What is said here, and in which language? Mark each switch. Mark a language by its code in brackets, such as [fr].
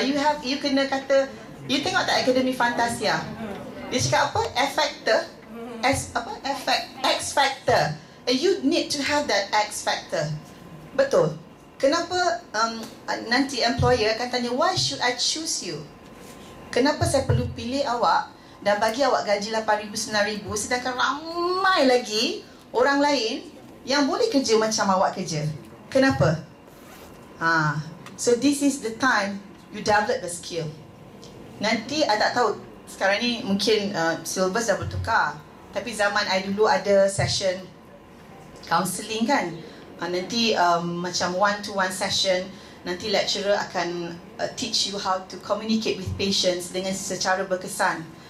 [ms] You have, you kena kata, you tengok tak Akademi Fantasia? Dia cakap apa? Effector. [en] X factor. And you need to have that X factor. Betul. [ms] Kenapa nanti employer akan tanya, [en] why should I choose you? [ms] Kenapa saya perlu pilih awak dan bagi awak gaji RM8,000-RM9,000, sedangkan ramai lagi orang lain yang boleh kerja macam awak kerja? Kenapa? [en] So this is the time you develop the skill. [ms] Nanti I tak tahu, sekarang ni mungkin syllabus dah bertukar. Tapi zaman I dulu ada session counselling kan. [en] Nanti macam one-to-one session, nanti lecturer akan teach you how to communicate with patients [ms] dengan secara berkesan.